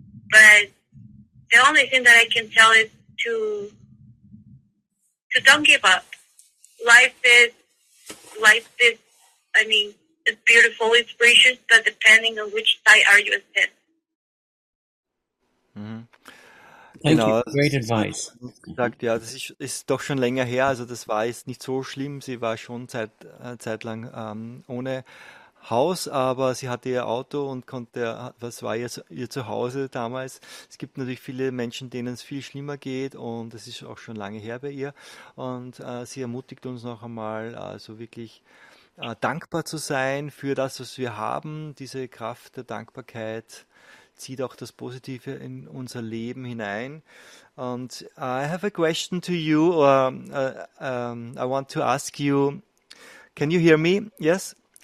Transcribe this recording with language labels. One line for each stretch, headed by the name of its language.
English: But the only thing that I can tell is to don't give up. Life is life is, I mean, it's beautiful, it's precious, but depending on which side are you ascend. Thank you. Great advice.
German: Gesagt, ja, das ist doch schon länger her, also das war jetzt nicht so schlimm. Sie war schon zeitlang ohne Haus, aber sie hatte ihr Auto und konnte, was war ihr Zuhause damals. Es gibt natürlich viele Menschen, denen es viel schlimmer geht, und das ist auch schon lange her bei ihr. Und sie ermutigt uns noch einmal, also wirklich dankbar zu sein für das, was wir haben. Diese Kraft der Dankbarkeit zieht auch das Positive in unser Leben hinein.
English: And I have a question to you, or I want to ask you, can you hear me? Yes?